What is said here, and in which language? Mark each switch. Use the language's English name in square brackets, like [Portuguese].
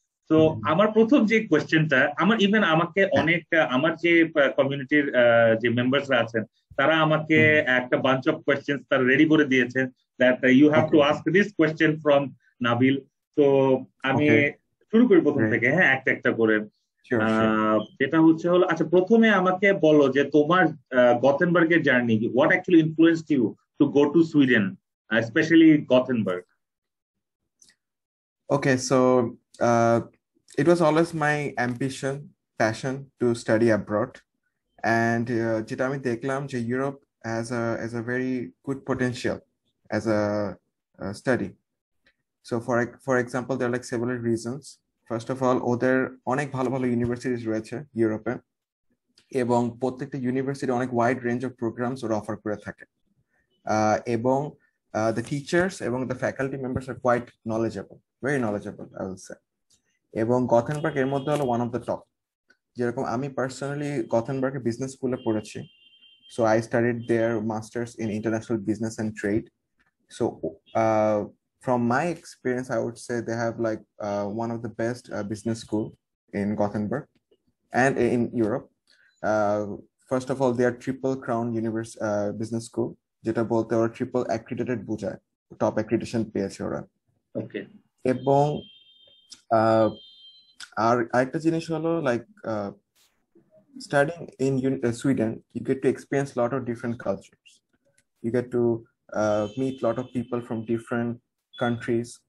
[Bangla] তো আমার প্রথম যে কোয়েশ্চেনটা, আমার ইভেন আমাকে অনেক আমার যে কমিউনিটির যে মেম্বার্সরা আছেন তারা আমাকে একটা বাঞ্চ অফ কোয়েশ্চেন তারা রেডি করে দিয়েছেন [English] That you have to ask this question from Nabil. [Bangla] তো আমি শুরু করি প্রথম থেকে, হ্যাঁ, একটা একটা করে। যেটা হচ্ছে হলো, আচ্ছা প্রথমে আমাকে বলো যে তোমার গোথেনবার্গের জার্নি কি, [English] What actually influenced you to go to Sweden, especially Gothenburg? Okay, so it was always my ambition, passion to study abroad. And [Bangla] jeta ami dekhlam je [English] Europe has a very good potential as a study. So for example, there are like several reasons. First of all, [Bangla] other onek bhalo bhalo [English] universities [Bangla] royeche [English] Europe [Bangla] ebong prottekta [English] university onek wide range of programs or offer [Bangla] kore thake. [English] Ebong the teachers ebong the faculty members are quite knowledgeable, very knowledgeable I will say. [Bangla] Ebong Gothenburg er moddhe holo [English] one of the top. [Bangla] Je rokom ami [English] personally Gothenburg e business school [Bangla] e porechi, [English] so I studied there masters in international business and trade. So from my experience I would say they have like one of the best business school in Gothenburg and in Europe. First of all, they are triple crown university business school, [Bangla] যেটা বলতে ওরা triple accredited বোঝায়, top accreditation পেয়েছে ওরা। ওকে, এবং আর আরেকটা জিনিস হলো [English] like studying in Sweden you get to experience lot of different cultures, you get to meet lot of people from different countries,